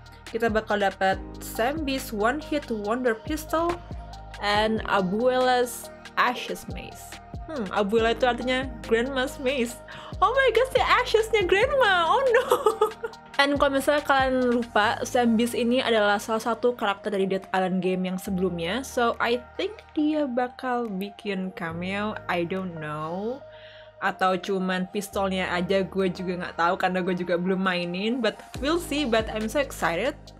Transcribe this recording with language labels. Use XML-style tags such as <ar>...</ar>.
<id>Kita bakal dapat Sambi's One Hit Wonder Pistol and Abuela's Ashes Mace. Abuela itu artinya Grandma's Mace. Oh my god, si Ashes-nya Grandma. Oh no. And kalau misalnya kalian lupa, Sambi's ini adalah salah satu karakter dari Dead Island game yang sebelumnya. So I think dia bakal bikin cameo.</id> <en>I don't know.</en> <id>Atau cuman pistolnya aja gue juga gak tahu karena gue juga belum mainin.</id> <en>But we'll see, but I'm so excited.</en>